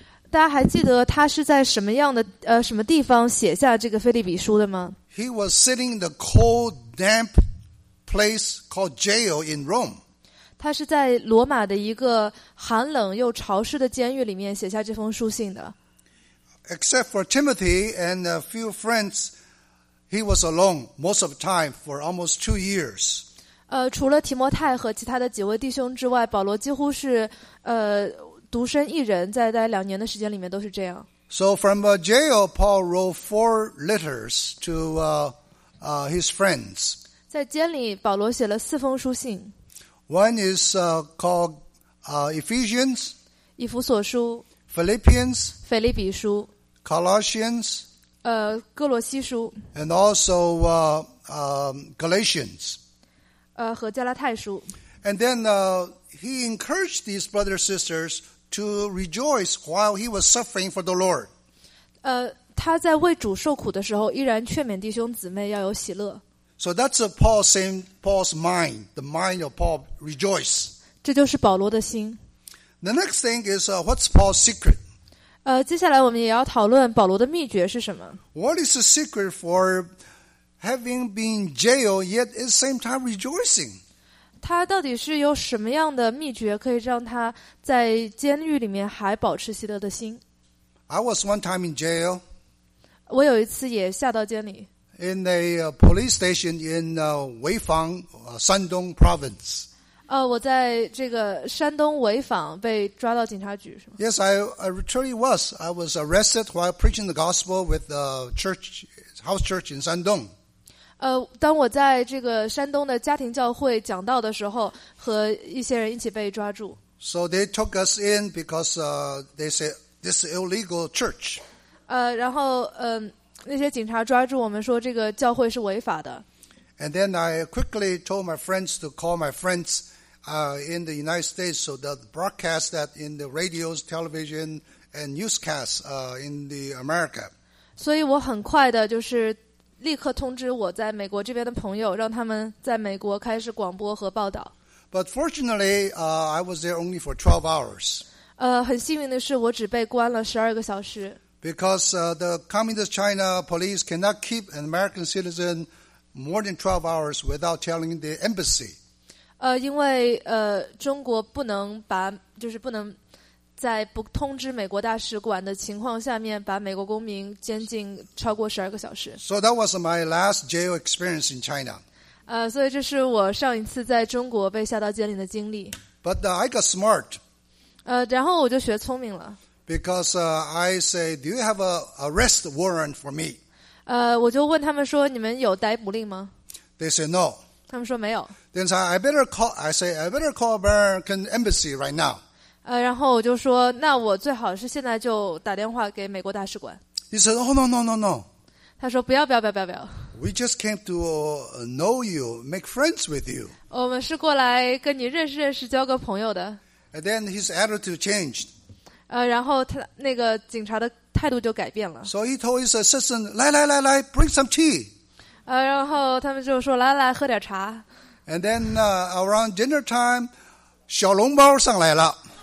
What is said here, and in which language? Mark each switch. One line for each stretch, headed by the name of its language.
Chinese: 大家还记得他是在什么样的什么地方写下这个腓立比书的吗？
English: He was sitting in the cold, damp place called jail in Rome.
Chinese: 他是在罗马的一个寒冷又潮湿的监狱里面写下这封书信的。
English: Except for Timothy and a few friends, he was alone most of the time for almost 2 years.
Chinese: 除了提摩太和其他的几位弟兄之外，保罗几乎是独身一人，在待两年的时间里面都是这样。
English: So from a jail, Paul wrote 4 letters to his friends.
Chinese: 在监里，保罗写了四封书信。
English: One is called Ephesians.
Chinese: 以弗所书。
English: Philippians.
Chinese: 腓立比书。
English: Colossians.
Chinese: 哥罗西书。
English: And also Galatians.
Chinese: 和加拉太书。
English: And then he encouraged these brothers and sisters. To rejoice while he was suffering for the Lord.
Chinese: 他在为主受苦的时候，依然劝勉弟兄姊妹要有喜乐。
English: So that's Paul's mind, the mind of Paul rejoice.
Chinese: 这就是保罗的心。
English: The next thing is what's Paul's secret?
Chinese: 接下来我们也要讨论保罗的秘诀是什么。
English: What is the secret for having been jailed yet at the same time rejoicing?
Chinese: 他到底是有什么样的秘诀可以让他在监狱里面还保持喜乐的心
English: ？I was one time in jail.
Chinese: 我有一次也下到监里。
English: In a police station in Wei Fang, Shandong Province.
Chinese: 我在这个山东潍坊被抓到警察局是吗
English: ？Yes, I truly was. I was arrested while preaching the gospel with the church house church in Shandong.
Chinese: 当我在这个山东的家庭教会讲道的时候，和一些人一起被抓住。
English: So they took us in because they said this is illegal church.
Chinese: 然后那些警察抓住我们说这个教会是违法的。
English: And then I quickly told my friends to call my friends in the United States so that broadcast that in the radios, television, and newscasts in the America.
Chinese: 所以我很快的就是。立刻通知我在美国这边的朋友，让他们在美国开始广播和报道。
English: But fortunately, I was there only for 12 hours.
Chinese: 很幸运的是，我只被关了12个小时。
English: Because the Communist China police cannot keep an American citizen more than 12 hours without telling the embassy.
Chinese: 因为中国不能把就是不能在不通知美国大使馆的情况下面把美国公民监禁超过12个小时。
English: So that was my last jail experience in China.
Chinese: 所以这是我上一次在中国被下到监里的经历。
English: But I got smart.
Chinese: 然后我就学聪明了。
English: Because I say, do you have an arrest warrant for me?
Chinese: 我就问他们说你们有逮捕令吗
English: ?They say no.
Chinese: 他们说没有。
English: Then I better call American embassy right now.
Chinese: 然后我就说，那我最好是现在就打电话给美国大使馆。
English: He said, "Oh no, no, no, no."
Chinese: 他说不要，不要，不要，不要，不要。
English: We just came to know you, make friends with you.
Chinese: 我们是过来跟你认识认识，交个朋友的。
English: And then his attitude changed.
Chinese: 然后他那个警察的态度就改变了。
English: So he told his assistant,
Chinese: "Lai, lai, lai, lai,
English: bring some tea."
Chinese: 然后他们就说，来来，喝点茶。
English: And then around dinner time,
Chinese: 小笼包上来了。